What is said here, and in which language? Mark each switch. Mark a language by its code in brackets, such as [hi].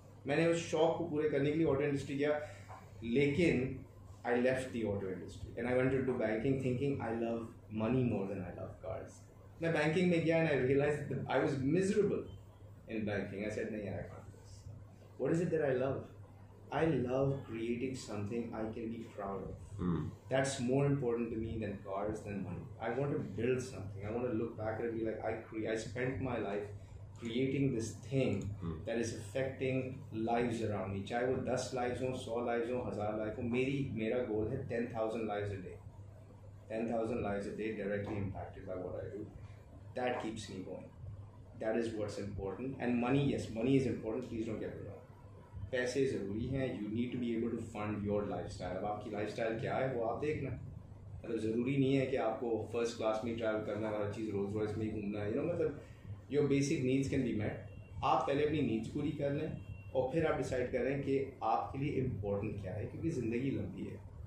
[hi] मैंने उस शौक को पूरे करने के लिए ऑटो इंडस्ट्री किया लेकिन [en] I left the auto industry and I went to do banking thinking I love money more than I love cars. [hi] मैं बैंकिंग में गया [en] And I realize I was miserable in banking. I said [hi] नहीं यार, [en] I can't do this. What is it that I love? I love creating something I can be proud of. That's more important to me than cars, than money. I want to build something. I want to look back and be like, I spent my life creating this thing that is affecting lives around me. [hi] Chahe wo 10 lives ho, 100 lives ho, 1000 lives ho. Mera goal hai 10,000 lives a day. [en] 10,000 lives a day directly impacted by what I do. That keeps me going. That is what's important. And money, yes, money is important. Please don't get me wrong. [hi] पैसे ज़रूरी हैं. [en] You need to be able to fund your lifestyle. [hi] अब आपकी lifestyle क्या है वो आप देखना. मतलब ज़रूरी नहीं है कि आपको फर्स्ट क्लास में ट्रैवल करना है, हर चीज़ रोज़ रोज में घूमना है, यू नो, मतलब [en] Your basic needs can be met. [hi] आप पहले अपनी नीड्स पूरी कर लें और फिर आप डिसाइड करें कि आपके लिए इम्पोर्टेंट क्या है, क्योंकि ज़िंदगी लंबी है.